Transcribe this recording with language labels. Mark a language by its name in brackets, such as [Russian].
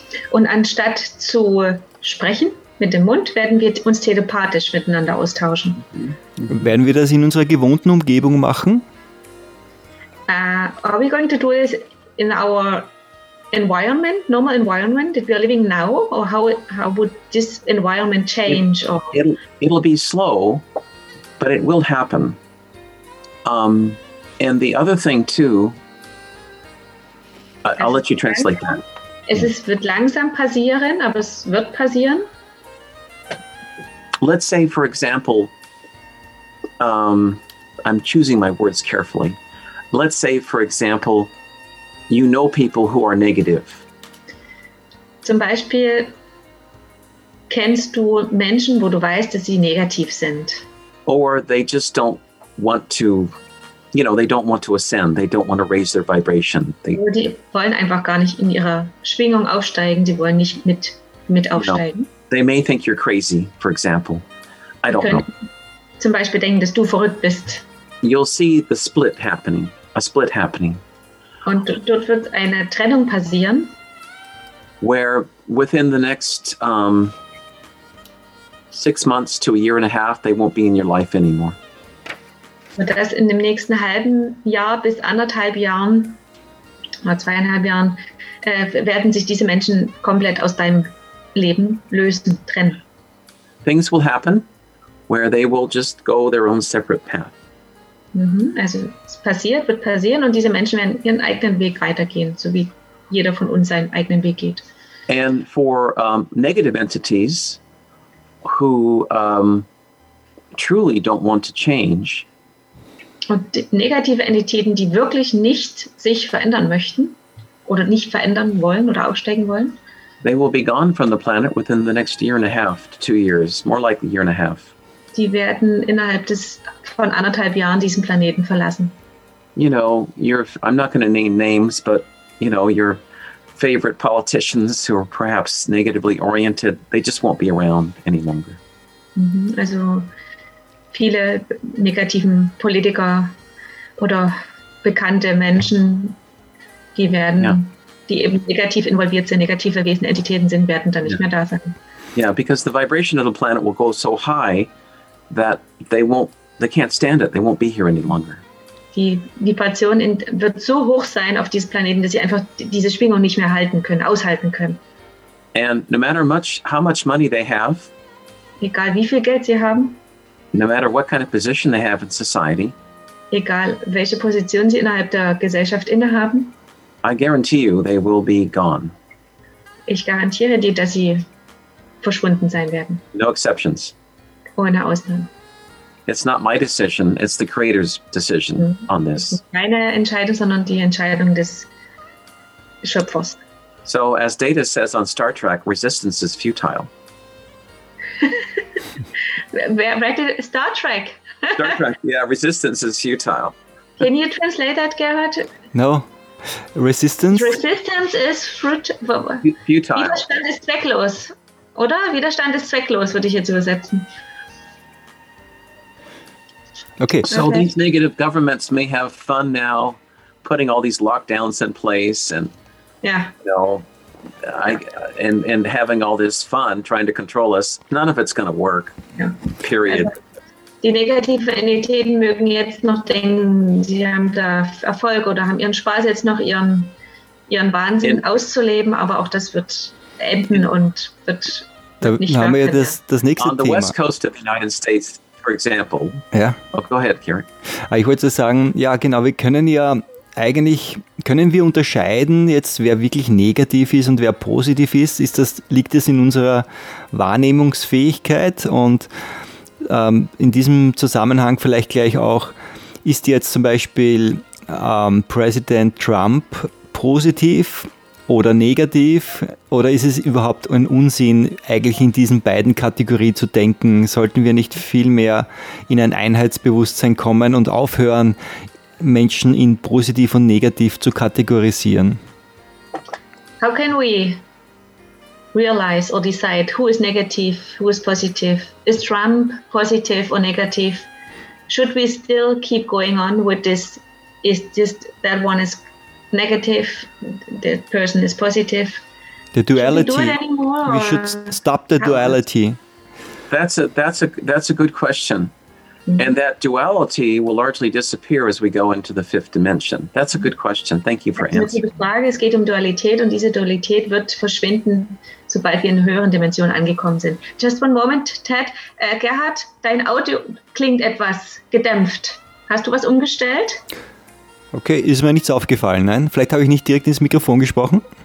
[German] Und anstatt zu sprechen mit dem Mund, werden wir uns telepathisch miteinander austauschen. Mm-hmm. Werden wir das in unserer gewohnten Umgebung machen? [English] Are we going to do this in our environment, normal environment that we are living now, or how would this environment change? It'll be slow, but it will happen. And the other thing too, I'll let you translate [German] langsam. [English] That. [German] Es wird langsam passieren, aber es wird passieren. [English] Let's say, for example, I'm choosing my words carefully. Let's say, for example, you know people who are negative. [German] Zum Beispiel kennst du Menschen, wo du weißt, dass sie negativ sind. [English] Or they just don't want to, you know, they don't want to ascend. They don't want to raise their vibration. [German] Die wollen einfach gar nicht in ihrer Schwingung aufsteigen. Die wollen nicht mit aufsteigen. No. [English] They may think you're crazy, for example. I don't know. [German] Zum Beispiel denken, dass du verrückt bist. [English] You'll see the split happening. A split happening. [German] Und dort wird eine Trennung passieren. [English] Where within the next 6 months to a year and a half, they won't be in your life anymore. [German] Und dass in dem nächsten halben Jahr bis anderthalb Jahren, oder zweieinhalb Jahren, werden sich diese Menschen komplett aus deinem Leben lösen, trennen. [English] Things will happen where they will just go their own separate path. [German] Also es passiert, wird passieren, und diese Menschen werden ihren eigenen Weg weitergehen, so wie jeder von uns seinen eigenen Weg geht. [English] And for negative entities who truly don't want to change. [German] Und negative Entitäten, die wirklich nicht sich verändern möchten oder nicht verändern wollen oder aufsteigen wollen. [English] They will be gone from the planet within the next year and a half to 2 years, more like a year and a half. [German] Die werden innerhalb von anderthalb Jahren diesen Planeten verlassen. [English] You know, I'm not going to name names, but you know, your favorite politicians who are perhaps negatively oriented, they just won't be around any longer. [German] Also viele negativen Politiker oder bekannte Menschen, die werden, die eben negativ involviert sind, negative Wesen, Entitäten sind, werden dann nicht mehr da sein. [English] Yeah, because the vibration of the planet will go so high that they won't, they can't stand it. They won't be here any longer. [German] Die Vibration wird so hoch sein auf diesem Planeten, dass sie einfach diese Schwingung nicht mehr halten können, aushalten können. [English] And no matter much, how much money they have, [German] egal wie viel Geld sie haben, [English] no matter what kind of position they have in society, [German] egal welche Position sie innerhalb der Gesellschaft innehaben, [English] I guarantee you they will be gone. [German] Ich garantiere dir, dass sie verschwunden sein werden. [English] No exceptions. [German] Ohne Ausnahmen. [English] It's not my decision, it's the Creator's decision on this. [German] Keine Entscheidung, sondern die Entscheidung des Schöpfers. [English] So, as Data says on Star Trek, resistance is futile. Star Trek? Star Trek, yeah, resistance is futile. Can you translate that, Gerhard? No. Resistance? Resistance is futile. [German] Widerstand ist zwecklos, oder? Widerstand ist zwecklos, würde ich jetzt übersetzen. [English] Okay. So these negative governments may have fun now putting all these lockdowns in place and and having all this fun trying to control us. None of it's going to work. Yeah. Period. [German] Die negativen Entitäten mögen jetzt noch denken, sie haben da Erfolg oder haben ihren Spaß jetzt noch ihren Wahnsinn auszuleben, aber auch das wird enden und wird da nicht haben wir das nächste [English] on [German] Thema. [English] The west coast of the United States. For example. [German] Ja. [English] Oh, go ahead, Kieran. [German] Ich wollte sagen, ja genau, wir können ja eigentlich, können wir unterscheiden jetzt, wer wirklich negativ ist und wer positiv ist? Liegt es in unserer Wahrnehmungsfähigkeit? Und in diesem Zusammenhang vielleicht gleich auch, ist jetzt zum Beispiel Präsident Trump positiv oder negativ? Oder ist es überhaupt ein Unsinn, eigentlich in diesen beiden Kategorien zu denken? Sollten wir nicht viel mehr in ein Einheitsbewusstsein kommen und aufhören, Menschen in positiv und negativ zu kategorisieren? [English] How can we realize or decide who is negative, who is positive? Is Trump positive or negative? Should we still keep going on with this? Is just that one is negative, the person is positive? The duality. Should we should stop the duality. That's a good question. Mm-hmm. And that duality will largely disappear as we go into the fifth dimension. That's a good question. Thank you for answering. [German] Es geht Dualität und diese Dualität wird verschwinden, sobald wir in höheren Dimensionen angekommen sind. [English] Just one moment, Ted. [German] Gerhard, dein Audio klingt etwas gedämpft. Hast du was umgestellt? Okay, ist mir nichts aufgefallen. Nein, vielleicht habe ich nicht direkt ins Mikrofon gesprochen.